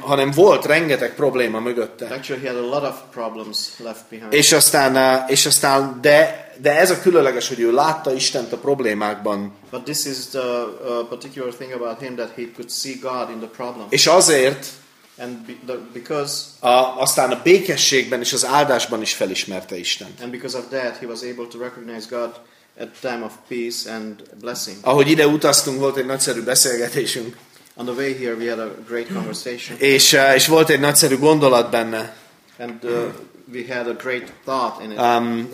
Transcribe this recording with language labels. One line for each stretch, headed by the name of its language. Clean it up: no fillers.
Hungarian: Hanem volt rengeteg probléma mögötte.
English: Actually, he had a lot of problems left behind.
Hungarian: És aztán, de ez a különleges, hogy ő látta Istent a problémákban.
English: But this is the particular thing about him that he could see God in the problem.
Hungarian: És azért.
English: And because
Hungarian: aztán a békességben és az áldásban is felismerte Istent.
English: And because of that, he was able to recognize God at the time of peace and blessing.
Hungarian: Ahogy ide utaztunk, volt egy nagyszerű beszélgetésünk.
English: On the way here, we had a great conversation.
Hungarian: És volt egy nagyszerű gondolat benne.
English: And we had a great thought in it.